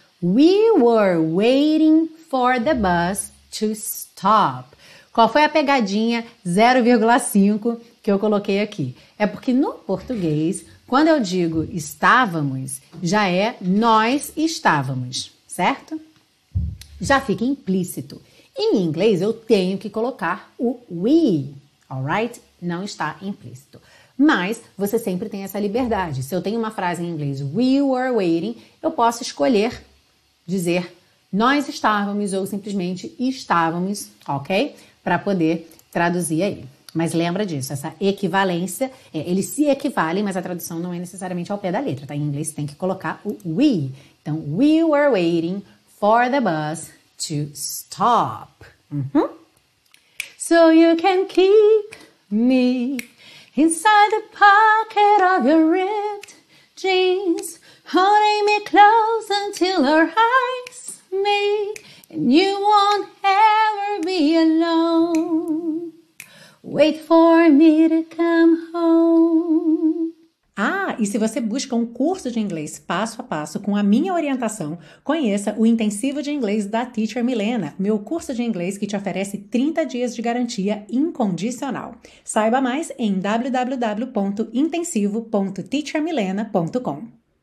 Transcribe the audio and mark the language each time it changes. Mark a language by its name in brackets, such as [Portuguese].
[English] We were waiting for the bus to stop. [Portuguese] Qual foi a pegadinha 0,5 que eu coloquei aqui? É porque no português, quando eu digo estávamos, já é nós estávamos, certo? Já fica implícito. Em inglês, eu tenho que colocar o we, alright? Não está implícito. Mas você sempre tem essa liberdade. Se eu tenho uma frase em inglês, [English] we were waiting, [Portuguese] eu posso escolher dizer nós estávamos ou simplesmente estávamos, ok? Para poder traduzir aí. Mas lembra disso, essa equivalência, eles se equivalem, mas a tradução não é necessariamente ao pé da letra, tá? Em inglês tem que colocar o we. [English] Então, we were waiting for the bus to stop. So you can keep me inside the pocket of your ripped jeans, holding me close until our eyes meet, and you won't ever be alone. Wait for me to come home. [Portuguese] Ah, e se você busca um curso de inglês passo a passo com a minha orientação, conheça o Intensivo de Inglês da Teacher Milena, meu curso de inglês que te oferece 30 dias de garantia incondicional. Saiba mais em www.intensivo.teachermilena.com.